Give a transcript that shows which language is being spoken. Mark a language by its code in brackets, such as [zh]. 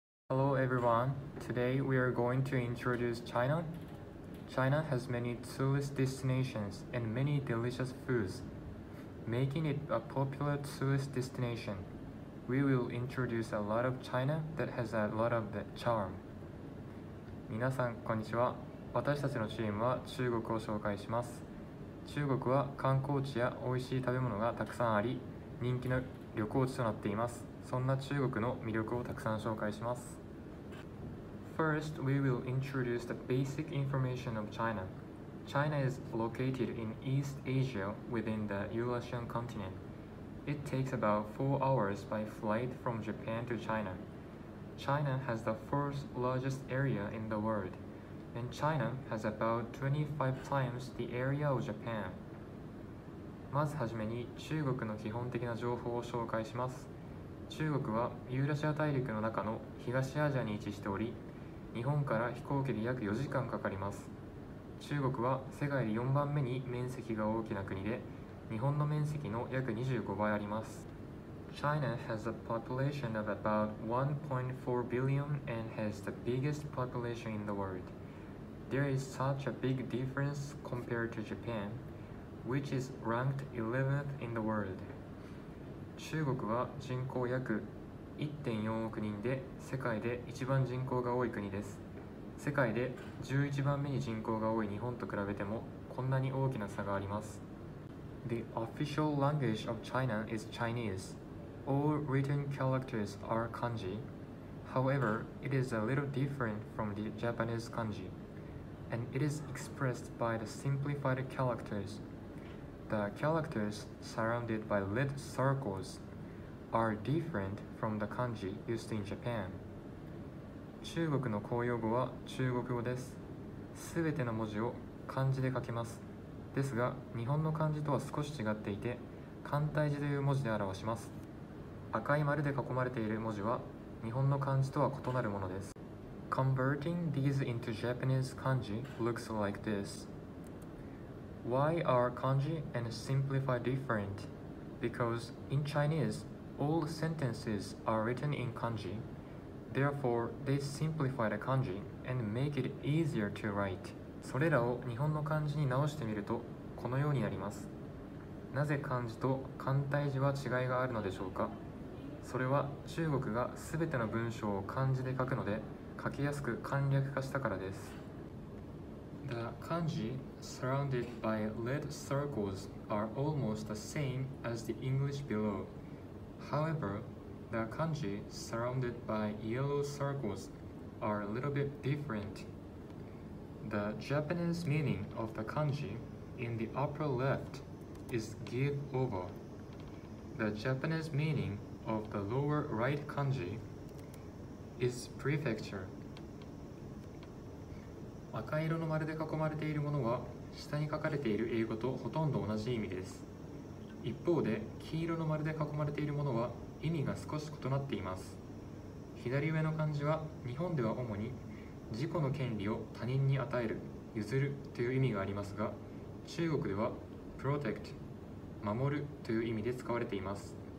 [en] Hello everyone, today we are going to introduce China. China has many tourist destinations and many delicious foods, making it a popular tourist destination. We will introduce a lot of China that has a lot of the charm. [ja] 皆さんこんにちは。私たちのチームは中国を紹介します。中国は観光地や美味しい食べ物がたくさんあり、人気の旅行地となっています。そんな中国の魅力をたくさん紹介します。 [en] First, we will introduce the basic information of China. China is located in East Asia within the Eurasian continent. It takes about 4 hours by flight from Japan to China. China has the fourth largest area in the world, and China has about 25 times the area of Japan. [ja] まずはじめに中国の基本的な情報を紹介します。中国はユーラシア大陸の中の東アジアに位置しており、日本から飛行機で約4時間かかります。中国は世界で4番目に面積が大きな国で、日本の面積の約25倍あります。 [en] China has a population of about 1.4 billion and has the biggest population in the world. There is such a big difference compared to Japan, which is ranked 11th in the world. [ja] 中国は人口約 1.4 億人で世界で一番人口が多い国です。世界で11番目に人口が多い日本と比べてもこんなに大きな差があります。 [en] The official language of China is Chinese. All written characters are kanji. However, it is a little different from the Japanese kanji, and it is expressed by the simplified characters. The characters surrounded by lead circles are different from the kanji used in Japan. [ja] 中国の公用語は中国語です。すべての文字を漢字で書きます。ですが、日本の漢字とは少し違っていて、簡体字という文字で表します。赤い丸で囲まれている文字は日本の漢字とは異なるものです。 [en] Converting these into Japanese kanji looks like this. Why are kanji and simplified different? Because in Chinese, all sentences are written in kanji. Therefore, they simplify the kanji and make it easier to write. [ja] それらを日本の漢字に直してみるとこのようになります。なぜ漢字と簡体字は違いがあるのでしょうか?それは中国がすべての文章を漢字で書くので書きやすく簡略化したからです。 [en] The kanji surrounded by lead circles are almost the same as the English below. However, the kanji surrounded by yellow circles are a little bit different. The Japanese meaning of the kanji in the upper left is give over. The Japanese meaning of the lower right kanji is prefecture. [ja] 赤色の丸で囲まれているものは下に書かれている英語とほとんど同じ意味です。一方で黄色の丸で囲まれているものは意味が少し異なっています。左上の漢字は日本では主に自己の権利を他人に与える、譲るという意味がありますが、中国では protect、守るという意味で使われています。